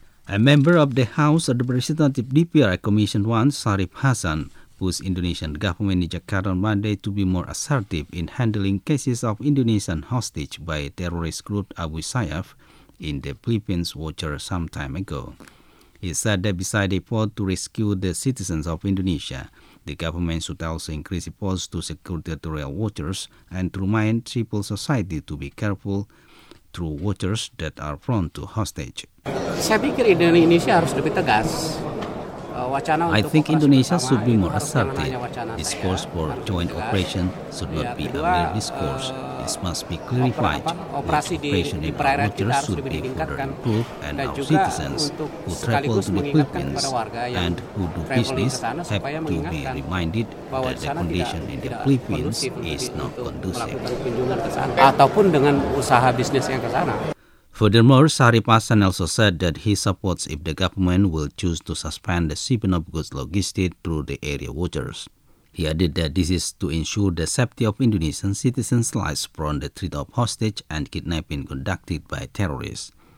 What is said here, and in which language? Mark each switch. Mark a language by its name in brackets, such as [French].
[English] A member of the House of Representatives DPR Commission 1, Sharif Hasan, pushed Indonesian government in Jakarta on Monday to be more assertive in handling cases of Indonesian hostage by terrorist group Abu Sayyaf in the Philippines water some time ago. He said that beside the effort to rescue the citizens of Indonesia, the government should also increase efforts to secure territorial waters and to remind civil society to be careful through waters that are prone to hostage. [Indonesian] Saya pikir Indonesia harus lebih tegas [English] I think Indonesia should be more assertive. Discourse for joint operation should not be a mere discourse. This must be clarified. Operation in our waters should be further improved, and our citizens who travel to the Philippines and who do business have to be reminded that the condition in the Philippines is not conducive. [Indonesian] Ataupun dengan usaha bisnis yang ke sana. [English] Furthermore, Sharif Hasan also said that he supports if the government will choose to suspend the shipping of goods logistics through the area waters. He added that this is to ensure the safety of Indonesian citizens' lives from the threat of hostage and kidnapping conducted by terrorists.